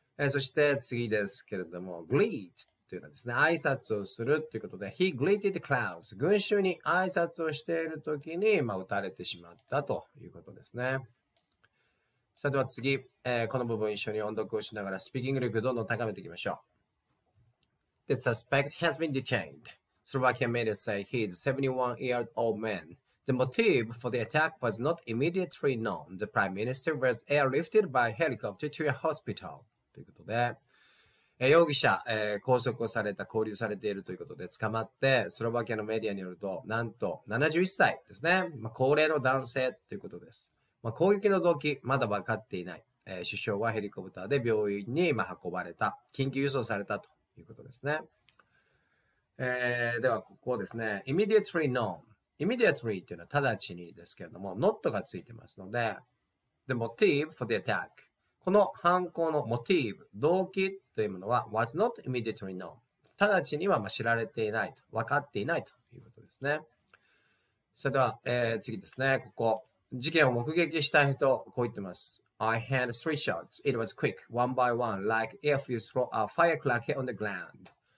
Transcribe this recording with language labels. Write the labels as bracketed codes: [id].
[ja] そして次ですけれども、greet。というのはですね、挨拶をするということで、 [en] He greeted crowds. [ja] 群衆に挨拶をしているときに、まあ、撃たれてしまったということですね。さあ、では次、この部分一緒に音読をしながら、スピーキング力をどんどん高めていきましょう。 [en] The suspect has been detained. Slovakia media say he is a 71-year-old man. The motive for the attack was not immediately known. The prime minister was airlifted by helicopter to a hospital. [ja] ということで、容疑者、拘束をされた、拘留されているということで捕まって、スロバキアのメディアによると、なんと71歳ですね。まあ、高齢の男性ということです。まあ、攻撃の動機、まだ分かっていない、首相はヘリコプターで病院に、まあ、運ばれた。緊急輸送されたということですね。では、ここですね。 [en] immediately known。 [ja] immediately というのは直ちにですけれども、not がついてますので、 [en] the motive for the attack。 [ja] この犯行のモチーブ、動機というものは、 [en] was not immediately known。 [ja] 直ちには知られていないと、分かっていないということですね。それでは、次ですね。ここ、事件を目撃した人、こう言ってます。 [en] I had three shots. It was quick, one by one, like if you throw a firecracker on the ground.